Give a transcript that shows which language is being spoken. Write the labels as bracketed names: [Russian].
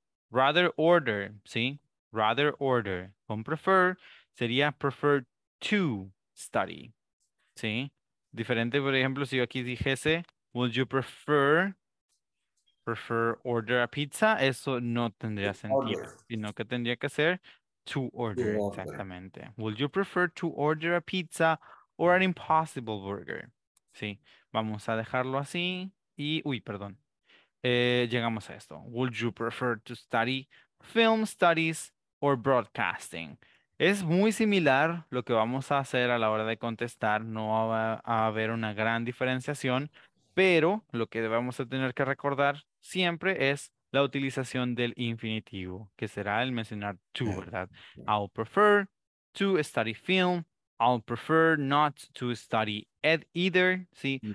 [English] Rather order, ¿sí? Rather order. Con prefer sería prefer to study, ¿sí? [Spanish] Diferente, por ejemplo, si yo aquí dijese, [English] would you prefer order a pizza? [Spanish] Eso no tendría sentido, sino que tendría que ser to order, exactamente. [English] Would you prefer to order a pizza or an impossible burger? [Spanish] Sí, vamos a dejarlo así y, uy, perdón. Llegamos a esto. [English] Would you prefer to study film studies or broadcasting? [Spanish] Es muy similar lo que vamos a hacer a la hora de contestar. No va a haber una gran diferenciación, pero lo que debemos tener que recordar siempre es la utilización del infinitivo, que será el mencionar to, ¿verdad? [English] I'll prefer to study film. I'll prefer not to study either, ¿sí?